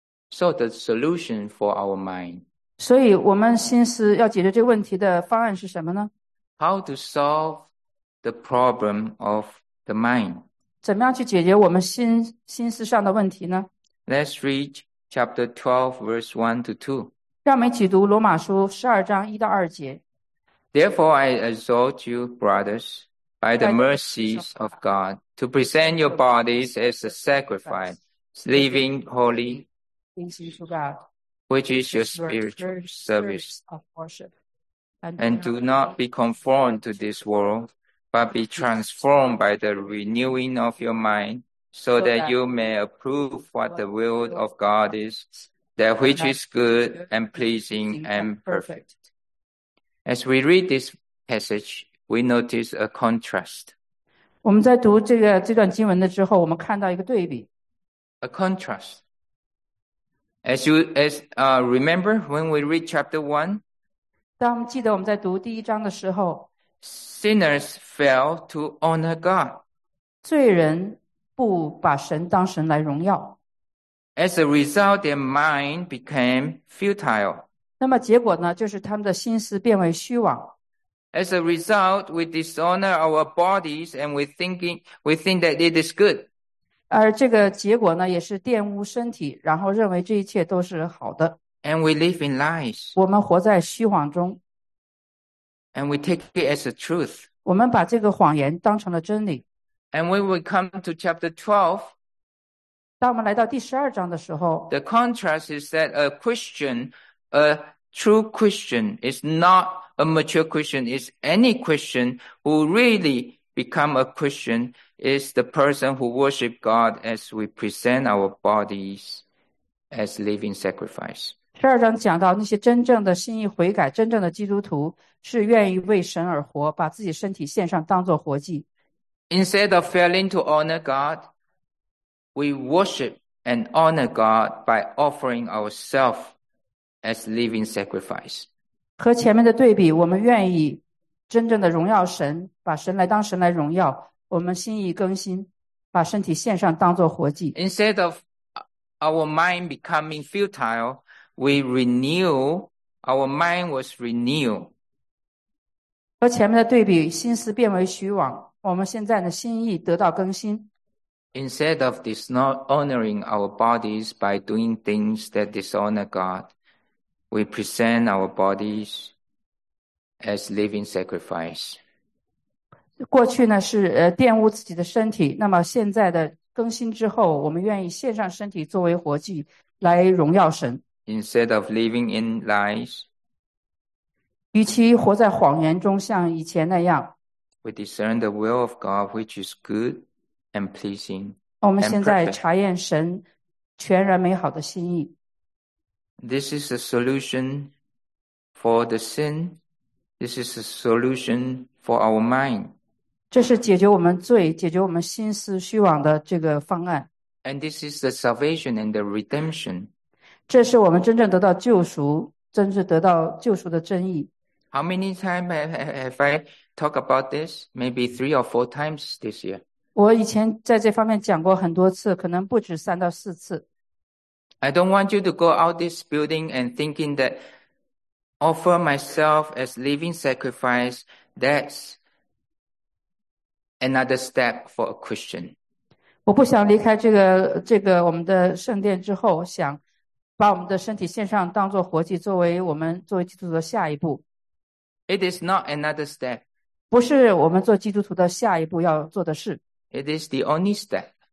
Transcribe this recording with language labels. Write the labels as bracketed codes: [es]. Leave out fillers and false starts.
[en] So the solution for our mind. [zh] 所以我们心思要解决这个问题的方案是什么呢？ [en] How to solve the problem of the mind. [zh] 怎么样去解决我们心思上的问题呢？ [en] Let's read chapter 12 verse 1 to 2. [zh] 让我们一起读罗马书12章1到2节。 [en] Therefore I exhort you, brothers, by the mercies of God, to present your bodies as a sacrifice, living holy, which is your spiritual service of worship. And do not be conformed to this world, but be transformed by the renewing of your mind, so that you may approve what the will of God is, that which is good and pleasing and perfect. As we read this passage, we notice a contrast. [zh] 我们在读这段经文的时候，我们看到一个对比。 [en] A contrast. Remember when we read chapter 1? [zh] 当我们记得我们在读第一章的时候， [en] Sinners fail to honor God. [zh] 罪人不把神当神来荣耀。 [en] As a result, their mind became futile. [zh] 那么结果呢，就是他们的心思变为虚妄。 [en] As a result, we dishonor our bodies and we think that it is good. [zh] 而这个结果呢，也是玷污身体，然后认为这一切都是好的。 [en] And we live in lies. [zh] 我们活在虚妄中。 [en] And we take it as a truth. [zh] 我们把这个谎言当成了真理。 [en] And when we come to chapter 12, [zh] 当我们来到第十二章的时候， [en] the contrast is that a Christian, a true Christian, is not a mature Christian, is any Christian who really become a Christian, is the person who worship God as we present our bodies as living sacrifice. [zh] 十二章讲到那些真正的心意悔改真正的基督徒是愿意为神而活把自己身体献上当作活祭。 [en] Instead of failing to honor God, we worship and honor God by offering ourselves as living sacrifice. [zh] 和前面的对比，我们愿意真正的荣耀神，把神来当神来荣耀，我们心意更新，把身体献上当作活祭。 [en] Instead of our mind becoming futile, we renew, our mind was renewed. [zh] 和前面的对比，心思变为虚妄。我们现在的心意得到更新。 [en] Instead of dishonoring our bodies by doing things that dishonor God, we present our bodies as living sacrifice. [zh] 过去呢是玷污自己的身体，那么现在的更新之后，我们愿意献上身体作为活祭，来荣耀神。 [en] Instead of living in lies, [zh] 与其活在谎言中，像以前那样。 [en] We discern the will of God, which is good and pleasing. [zh] 我们现在查验神全然美好的心意。 [en] This is a solution for the sin. This is a solution for our mind. [zh] 这是解决我们罪、解决我们心思虚妄的这个方案。 [en] And this is the salvation and the redemption. [zh] 这是我们真正得到救赎、真正得到救赎的真意。 [en] How many times have I talked about this? Maybe 3 or 4 times this year. [zh] 我以前在这方面讲过很多次，可能不止3到4次。 [en] I don't want you to go out this building and thinking that offer myself as living sacrifice, that's another step for a Christian. [zh] 我不想离开这个我们的圣殿之后，想把我们的身体献上当作活祭，作为我们作为基督徒的下一步。 [en] It is not another step. [zh] 不是我们做基督徒的下一步要做的事。 [en] It is the only step.